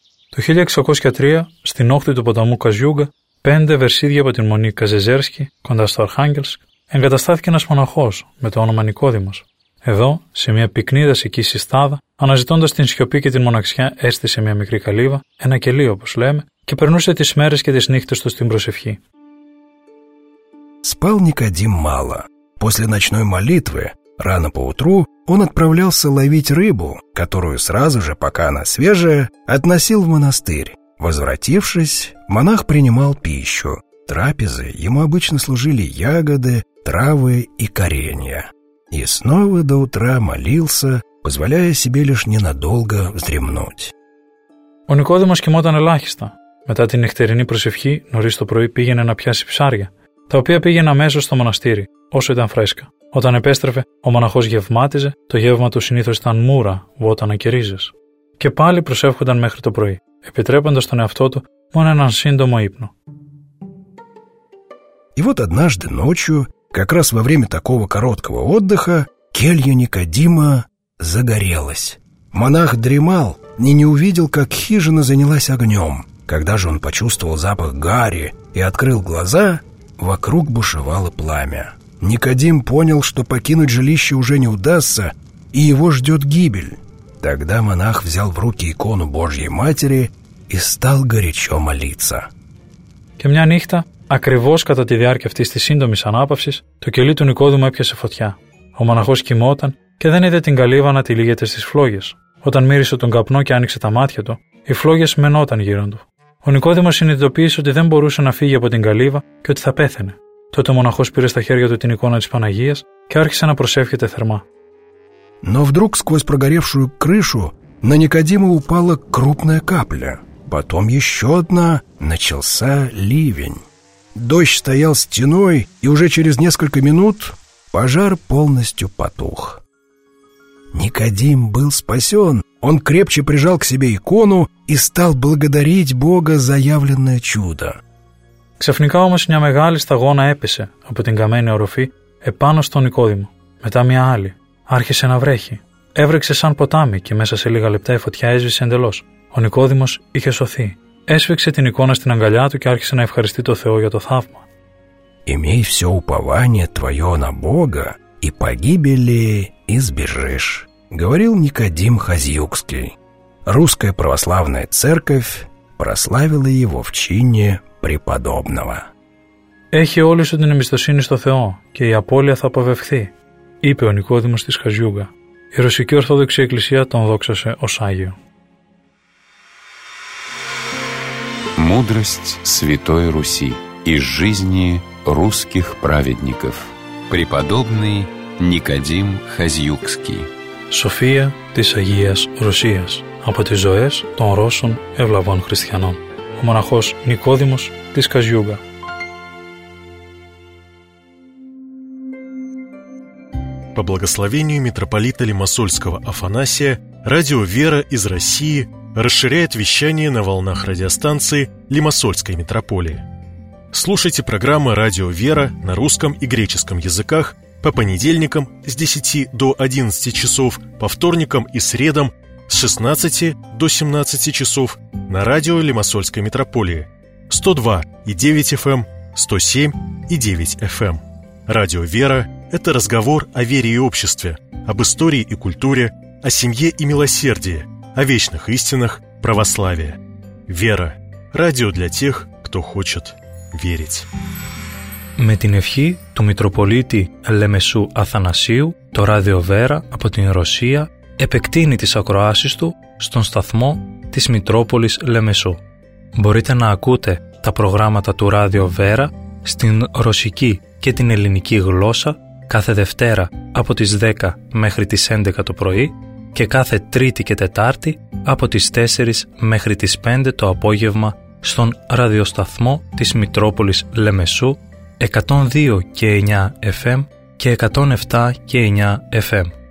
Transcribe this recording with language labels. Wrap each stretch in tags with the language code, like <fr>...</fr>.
<ru>В 1603 году, в устье потому Хазьюга,</ru> <el>5 версίδια από την Μονή Καζεζέρσκη, κοντά στο Αρχάγγελσκ, εγκαταστάθηκε ένας μοναχός με το όνομα Νικόδημος. Εδώ, σε μια πυκνή δασική συστάδα, αναζητώντας την σιωπή και την μοναξιά, έστησε μια μικρή καλύβα, ένα κελί όπως λέμε, και περνούσε τις μέρες και τις νύχτες του στην προσευχή.</el> <ru>Спал Никодим мало. После ночной молитвы, рано поутру, он отправлялся ловить рыбу, которую сразу же, пока она свежая, относил в монастырь. Возвратившись, монах принимал пищу. Трапезы ему обычно служили ягоды, травы и коренья. И снова до утра молился, позволяя себе лишь ненадолго вздремнуть.</ru> <el>Ο Νικόδημος κοιμόταν ελάχιστα, Μετά την νυχτερινή προσευχή, νωρίς το πρωί πήγαινε να πιάσει ψάρια, τα οποία πήγαινε αμέσως στο μοναστήρι, όσο ήταν φρέσκα. Όταν επέστρεφε, ο μοναχός γευμάτιζε, το γεύμα του συνήθως ήταν μούρα, βότανα και ρίζες. Και πάλι προσεύχονταν μέχρι το πρωί, επιτρέποντας τον εαυτό του μόνο έναν σύντομο ύπνο.</el> <ru>И вот однажды ночью, как раз во время такого короткого отдыха, келья Никодима загорелась. Монах дремал и не увидел, как хижина занялась огнем. Когда же он почувствовал запах гари и открыл глаза, вокруг бушевало пламя. Никодим понял, что покинуть жилище уже не удастся, и его ждет гибель. Тогда монах взял в руки икону Божьей Матери и стал горячо молиться.</ru> <el>Και μια νύχτα, ακριβώς κατά τη διάρκεια αυτής της σύντομης ανάπαυσης, το κελί του Νικόδημου έπιασε φωτιά. Ο μοναχός κοιμόταν και δεν είδε την καλύβα να τυλίγεται στις φλόγες. Όταν μύρισε τον καπνό και άνοιξε τα μάτια του, οι φλόγες μενόταν γύρω του. Ο Νικόδημος συνειδητοποίησε ότι δεν μπορούσε να φύγει από την καλύβα και ότι θα πέθαινε. Τότε ο μοναχός πήρε στα χέρια του την εικόνα της Παναγίας και άρχισε να προσεύχεται θερμά.</el> <ru>Но вдруг сквозь прогоревшую крышу на Никодима упала крупная капля. Потом еще одна, начался ливень. Дождь стоял стеной, и уже через несколько минут пожар полностью потух. Никодим был спасен. Он крепче прижал к себе икону и стал благодарить Бога за явленное чудо.</ru> <el>Ξαφνικά όμως μια μεγάλη σταγόνα έπεσε από την καμένη οροφή επάνω στον Νικόδημο. Μετά μια άλλη. Άρχισε να βρέχει. Έβρεξε σαν ποτάμι και μέσα σε λίγα λεπτά η φωτιά έσβησε εντελώς. Ο Νικόδημος είχε σωθεί. Έσφιξε την εικόνα στην αγκαλιά του και άρχισε να ευχαριστεί το Θεό για το θαύμα.</el> <ru>«Имей все упование твое на Бога и погибели избежишь», говорил Никодим Хазьюкский. Русская православная церковь прославила его в чине преподобного.</ru> <el>«Έχει όλη σου την εμπιστοσύνη στο Θεό και η απώλεια θα αποβευθεί», είπε ο Νικόδημος της Χαζιούγκα. Η Ρωσική Ορθόδοξη Εκκλησία τον δόξασε ως Άγιο.</el> <ru>Мудрость Святой Руси из жизни русских праведников. Преподобный Никодим Хазьюкский.</ru> <el>София της Агίας Ρωσίας. Από τις ζωές των Ρώσων ευλαβών χριστιανών. Ο μοναχός Νικόδημος της Χαζιούγκα.</el> <ru>По благословению митрополита Лимассольского Афанасия, радио «Вера» из России – расширяет вещание на волнах радиостанции Лимассольской митрополии. Слушайте программы «Радио Вера» на русском и греческом языках по понедельникам с 10 до 11 часов, по вторникам и средам с 16 до 17 часов на радио Лимассольской митрополии 102,9 FM, 107,9 FM. «Радио Вера» – это разговор о вере и обществе, об истории и культуре, о семье и милосердии, о вечных истинах православия. Вера. Радио для тех, кто хочет верить.</ru> <el>Με την ευχή του Μητροπολίτη Λεμεσού Αθανασίου, το Ράδιο Βέρα από την Ρωσία επεκτείνει τις ακροάσεις του στον σταθμό της Μητρόπολης Λεμεσού. Μπορείτε να ακούτε τα προγράμματα του Ράδιο Βέρα στην ρωσική και την ελληνική γλώσσα κάθε Δευτέρα από τις 10 μέχρι τις 11 το πρωί και κάθε Τρίτη και Τετάρτη από τις 4 μέχρι τις 5 το απόγευμα στον ραδιοσταθμό της Μητρόπολης Λεμεσού 102 και 9 FM και 107 και 9 FM.</el>